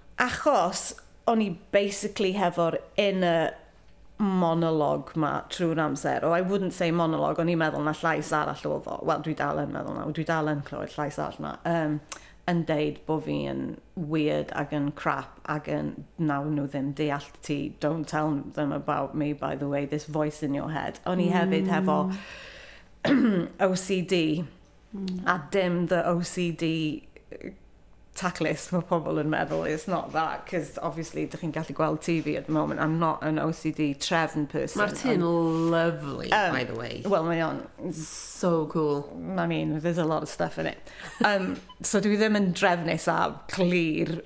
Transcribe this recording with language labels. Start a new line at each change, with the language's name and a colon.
Welsh: Achos o'n i
English: basically
Welsh: hefo'r inner monolog ma trwy'r amser.
English: Oh, I wouldn't say monolog,
Welsh: o'n i'n meddwl na llais arall oedd o. Wel, dwi dal yn meddwl na. Dwi dal yn clywed llais arall na. Yn deud bod fi'n weird ag yn crap ag yn nawr nhw ddim deall ti.
English: Don't tell them about me, by the way, this voice in your head.
Welsh: O'n i hefyd hefo OCD. A dim
English: the OCD taclis for
Welsh: pobl yn meddwl,
English: it's not that, because obviously
Welsh: dych chi'n gallu gweld
English: TV at the moment. I'm not an OCD trefn person.
Welsh: Mae'r tin lovely,
English: by the way.
Welsh: Well, mae o'n
English: so cool. I mean, there's a lot of stuff in it.
Welsh: So dwi ddim yn drefnus a clir.